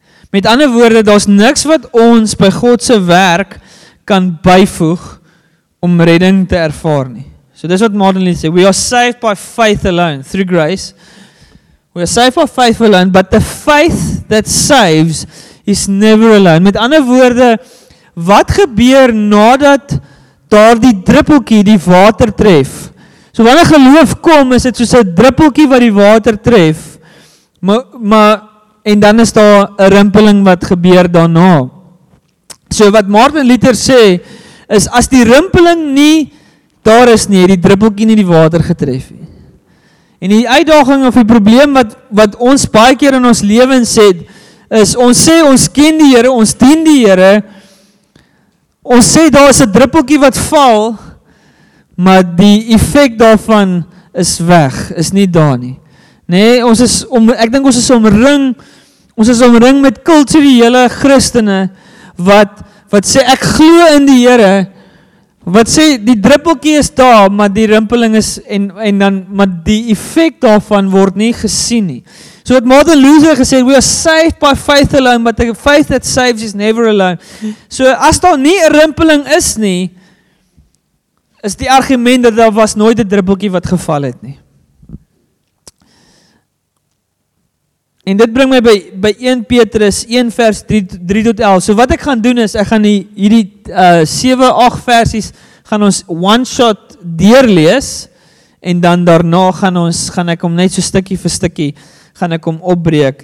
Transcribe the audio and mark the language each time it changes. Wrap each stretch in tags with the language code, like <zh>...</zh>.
<af>Met ander woorde, daar is niks wat ons by Godse werk kan bijvoeg om redding te ervaar nie. So dis wat Martin Luther sê,</af> <en>we are saved by faith alone, through grace. We are saved by faith alone, but the faith that saves is never alone.</en> <af>Met ander woorde, wat gebeur nadat daar die druppelkie die water tref? So wanneer geloof kom, is dit soos 'n druppeltjie wat die water tref, maar en dan is daar 'n rimpeling wat gebeur daarna. So wat Martin Luther sê, is as die rimpeling nie daar is nie, die druppeltjie nie die water getref nie. En die uitdaging of die probleem wat ons baie keer in ons lewens het, is ons sê ons ken die Here, ons dien die Here, ons sê daar is 'n druppeltjie wat val, maar die effect daarvan is weg, is nie daar nie. Nee, ons is omring met kulturele Christene, wat sê, ek glo in die Here, wat sê, die druppeltjie is daar, maar die rimpeling is, en dan, maar die effect daarvan word nie gesien nie. So het Martin Luther gesê,</af> <en>we are saved by faith alone, but the faith that saves is never alone.</en> <af>So as daar nie rimpeling is nie, is die argument dat daar was nooit 'n druppeltjie wat geval het nie. En dit bring my by 1 Petrus 1 vers 3 tot 11. So wat ek gaan doen is, ek gaan hierdie 7, 8 versies, gaan ons</af> <en>one shot</en> <af>deurlees, en dan daarna gaan ek om net so stikkie vir stikkie, gaan ek om opbreek.</af>